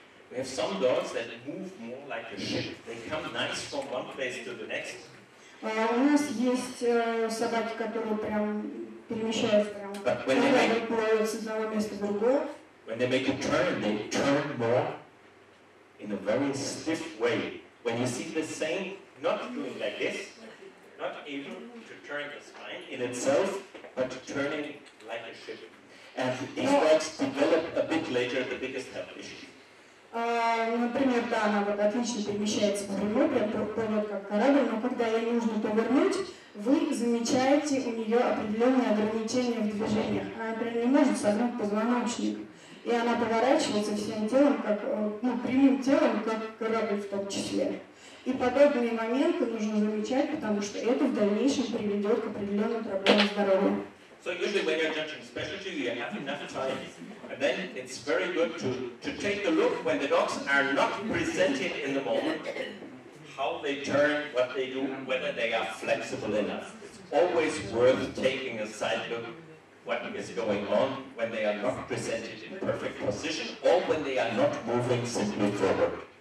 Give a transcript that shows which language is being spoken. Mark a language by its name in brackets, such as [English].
[English] We have some dogs that move more like a ship. They come nice from one place to the next. [Russian] У нас есть собаки, которые прям перемещаются прям, когда плывут с одного места в другое. [English] When they make a turn, they turn more in a very stiff way. When you see the same not doing like this, not able to turn the spine in itself, but turning like a ship. And these legs develop a bit later the biggest health issue. [Russian] Например, да, она вот отлично перемещается по нему, прям плывет как корабль, но когда ей нужно повернуть, вы замечаете у нее определенные ограничения в движениях. Она, например, не может согнуть позвоночник, и она поворачивается всем телом, как, ну, прямым телом, как корабль в том числе. И подобные моменты нужно замечать, потому что это в дальнейшем приведет к определенным проблемам здоровья. [English] So usually when you're judging specialty, you have enough time. And then it's very good to take a look when the dogs are not presenting in the moment, how they turn, what they do, whether they are flexible enough. It's always worth taking a side look what is going on when they are not presented in perfect position or when they are not moving simply forward.